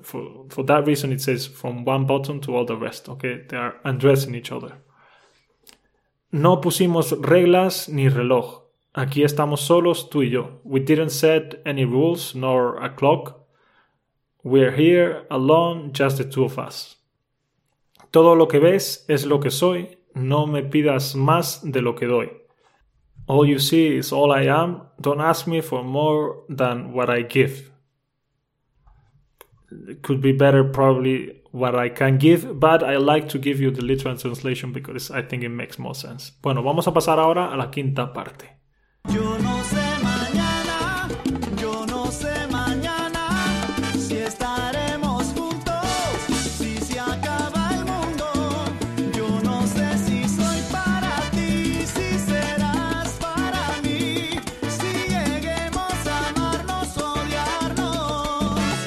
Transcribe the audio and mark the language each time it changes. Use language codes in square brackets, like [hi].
[en] For that reason it says from one button to all the rest, okay? They are undressing each other. [es] No pusimos reglas ni reloj. Aquí estamos solos, tú y yo. [en] We didn't set any rules, nor a clock. We're here, alone, just the two of us. [es] Todo lo que ves es lo que soy. No me pidas más de lo que doy. [en] All you see is all I am. Don't ask me for more than what I give. It could be better probably what I can give, but I like to give you the literal translation because I think it makes more sense. [es] Bueno, vamos a pasar ahora a la quinta parte. Yo no sé mañana, yo no sé mañana, si estaremos juntos, si se acaba el mundo. Yo no sé si soy para ti, si serás para mí, si lleguemos a amarnos, odiarnos.